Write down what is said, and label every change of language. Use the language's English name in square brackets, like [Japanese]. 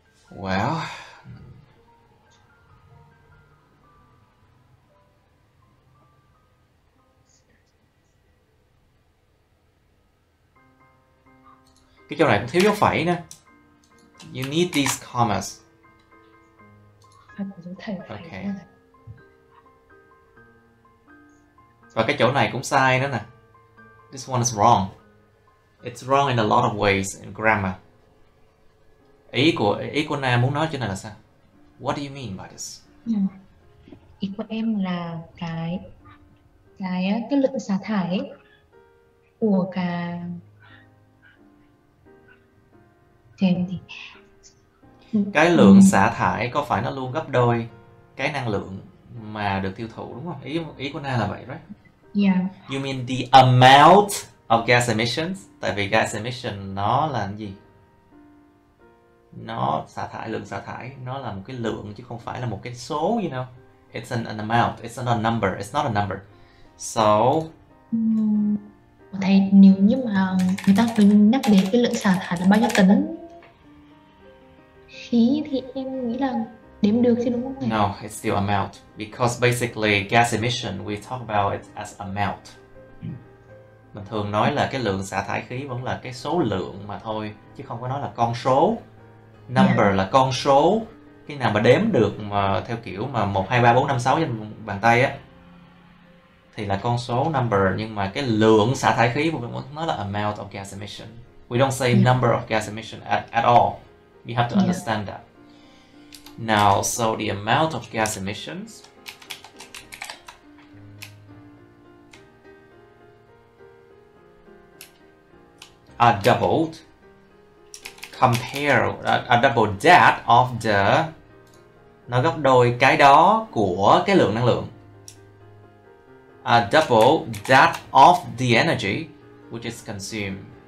[Vietnamese] Well, cái chỗ này cũng thiếu dấu phẩy nữa. [English] You need these commas. Okay. [Vietnamese] Và cái chỗ này cũng sai nữa nè. [English] This one is wrong. It's wrong in a lot of ways in grammar. [Vietnamese] Ý của Na muốn nói chỗ này là sao? [English] What do you mean by this? [Vietnamese] Ý của em là cái lượng xả thải của cả thêm đi. Cái lượng xả thải có phải nó luôn gấp đôi cái năng lượng mà được tiêu thụ đúng không? Ý của Na là vậy, right? [English] Yeah. You mean the amount of gas emissions, [Vietnamese] tại vì gas emission nó là cái gì? Nó xả thải, lượng xả thải nó là một cái lượng chứ không phải là một cái số, you know. [English] It's an amount, it's not a number, it's not a number. So [Vietnamese] Thầy, nếu như mà người ta phải nhắc đến cái lượng xả thải là bao nhiêu tấn khí thì em nghĩ là đếm được chứ đúng không thầy? [English] no, it's still amount. Because basically gas emission, we talk about it as [Vietnamese] Mình thường nói là cái lượng xả thải khí vẫn là cái số lượng mà thôi, chứ không có nói là con số. Number là con số. Cái nào mà đếm được mà theo kiểu mà 1, 2, 3, 4, 5, 6 trên bàn tay á, thì là con số number. Nhưng mà cái lượng xả thải khí vẫn nó là [English] amount of gas emission. We don't say number of gas emission at all. You have to understand that. Now, so the amount of gas emissions are doubled compared, are double that of the, [Vietnamese] nó gấp đôi cái đó của cái lượng năng lượng. [English] Are double that of the energy which is consumed.